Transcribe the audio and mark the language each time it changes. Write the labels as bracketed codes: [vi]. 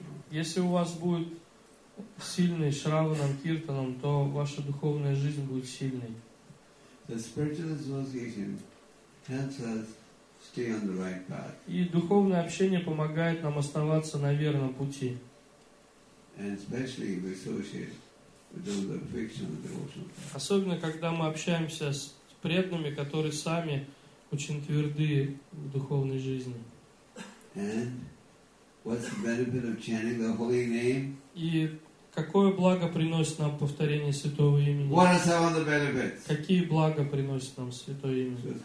[ru] Если у вас будет сильный Шраванам Киртанам, то ваша духовная жизнь будет сильной. [en] The spiritual association helps us stay on the right path. [ru] И духовное общение помогает нам оставаться на верном пути. [en] And especially we associate with those who are fixed on the devotional path. [ru] Особенно когда мы общаемся с преданными, которые сами очень тверды в духовной жизни. [en] And what's the benefit of chanting the holy name? [ru] И какое благо приносит нам повторение святого имени? Какие блага приносит нам святое имя?